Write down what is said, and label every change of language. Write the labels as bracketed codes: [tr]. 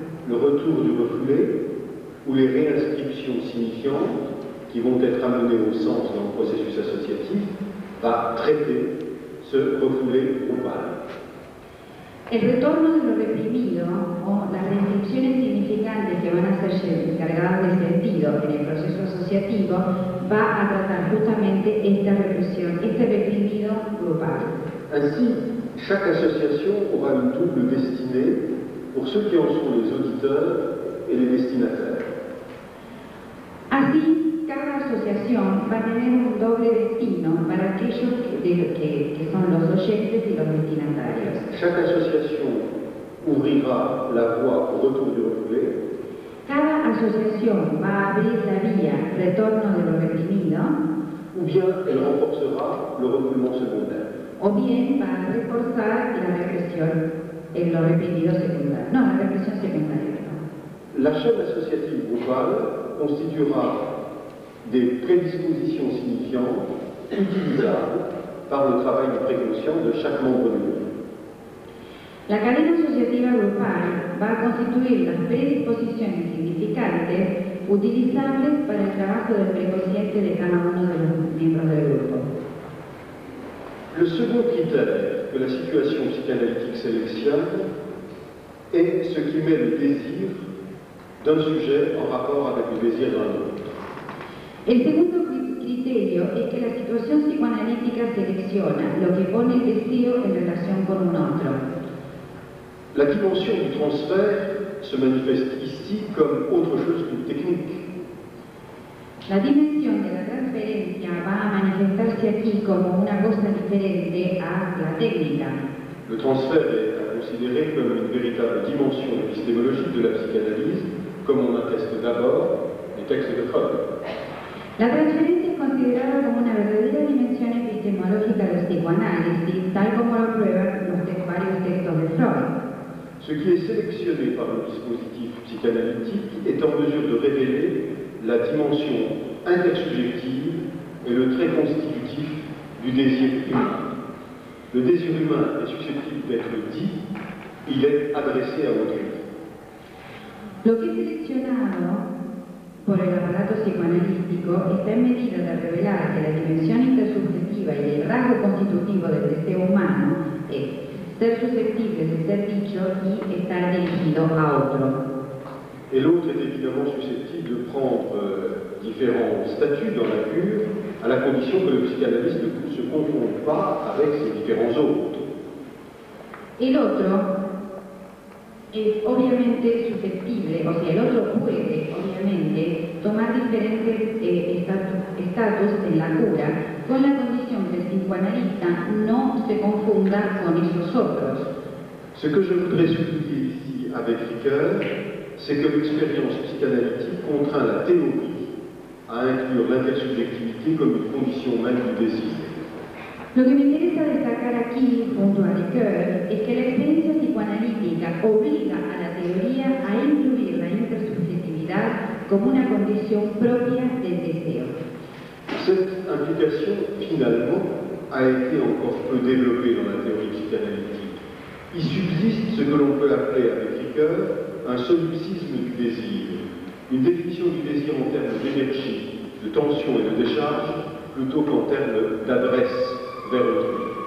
[fr] Le retour du refoulé ou les réinscriptions signifiantes qui vont être amenées au sens dans le processus associatif va traiter ce refoulé groupal. [es] El retorno de lo reprimido o las reinscripciones significantes que van a ser encargadas de sentido en el proceso asociativo va a tratar justamente esta represión, este reprimido grupal. Así, chaque asociación aura une double destinée pour ceux qui en sont les auditeurs et les destinataires. Así, cada asociación va a tener un doble destino para aquellos que son los oyentes y los destinatarios. [fr] Chaque association ouvrira la voie au retour du refoulé. [es] Cada asociación va a abrir la vía retorno de lo reprimido. [fr] Ou bien elle renforcera le refoulement secondaire. [es] O bien va a reforzar la represión en lo reprimido secundario. No, la represión secundaria. [fr] La chaîne associative globale constituera des prédispositions signifiantes utilisables par le travail de préconscient de chaque membre du groupe. [es] La cadena asociativa grupal va a constituir las predisposiciones significantes utilizables para el trabajo del preconsciente de cada uno de los miembros del grupo. [fr] Le second critère que la situation psychanalytique sélectionne est ce qui met le désir d'un sujet en rapport avec le désir d'un autre. [es] El segundo criterio es que la situación psicoanalítica selecciona lo que pone el deseo en relación con un otro. [fr] La dimension du transfert se manifeste ici comme autre chose qu'une technique. [es] La dimension de la transferencia va a manifestarse aquí como una cosa diferente a la técnica. [fr] Le transfert est à considérer comme une véritable dimension épistémologique de la psychanalyse, comme on atteste d'abord les textes de Freud. [es] La transferencia es considerada como una verdadera dimensión epistemológica de psicoanálisis, tal como lo prueban varios textos de Freud. [fr] Ce qui est sélectionné par le dispositif psychanalytique est en mesure de révéler la dimension intersubjective et le trait constitutif du désir humain. Le désir humain est susceptible d'être dit, il est adressé à autrui. [es] Lo que es seleccionado por el aparato psicoanalítico está en medida de revelar que la dimensión intersubjetiva y el rasgo constitutivo del deseo humano es ser susceptible de ser dicho y estar dirigido a otro. [fr] Et l'autre est évidemment susceptible de prendre différents statuts dans la cure, à la condition que le psychanalyste ne se confonde pas avec ses différents autres. Et l'autre est évidemment susceptible, [es] o sea, [fr] l'autre peut, [es] obviamente, tomar [fr] différents status [es] en la cura, con [fr] la condition que le psychanalyste ne se confonde pas avec les autres. Ce que je voudrais souligner ici avec Ricoeur, c'est que l'expérience psychanalytique contraint la théorie à inclure l'intersubjectivité comme une condition même du désir. [es] Lo que me interesa destacar aquí, junto a Ricoeur, es que la experiencia psicoanalítica obliga a la teoría a incluir la intersubjetividad como una condición propia del deseo. [fr] Cette implication, finalement, a été encore peu développée dans la théorie psychanalytique. Il subsiste ce que l'on peut appeler avec Ricoeur un solipsisme du désir, une définition du désir en termes d'énergie, de tension et de décharge, plutôt qu'en termes d'adresse vers autrui.